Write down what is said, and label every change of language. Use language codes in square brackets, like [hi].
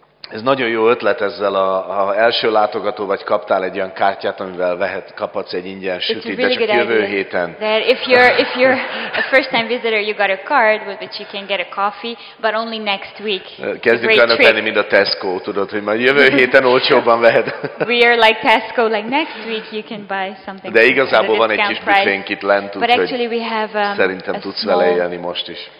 [hu] Ez nagyon jó ötlet ezzel a első látogató, vagy kaptál egy olyan kártyát, amivel kaphatsz egy ingyen sütit, [en] really [hu] de csak jövő héten. [en] If you're a first time visitor, you got a card with which you can get a coffee, but only next week. [hu] Kezdjük olyanok lenni, mint a Tesco, tudod, hogy majd jövő héten olcsóban vehet. [en] We are like Tesco, like next week you can buy something. [hu] De igazából van egy kis büfénk itt lent, úgyhogy szerintem tudsz vele élni most is.